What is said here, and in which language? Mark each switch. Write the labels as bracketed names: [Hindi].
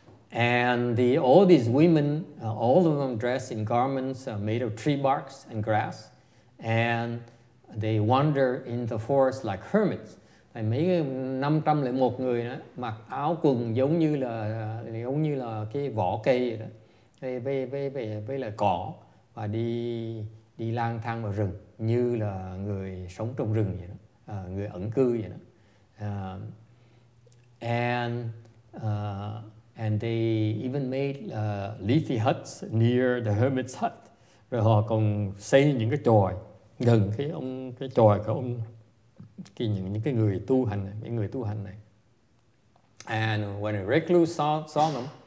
[English] And all these women, all of them dressed in garments made of tree barks and grass, and they wander in the forest like hermits. [Vietnamese] Thì mấy 501 người đó mặc áo quần giống như là cái vỏ cây vậy đó, với là cỏ, và đi lang thang vào rừng như là người sống trong rừng vậy đó, người ẩn cư vậy đó. [English] And they even made leafy huts near the hermit's hut. [Vietnamese] Rồi họ còn xây những cái chòi gần cái chòi của ông, những người tu hành này. [English] And when a recluse saw them,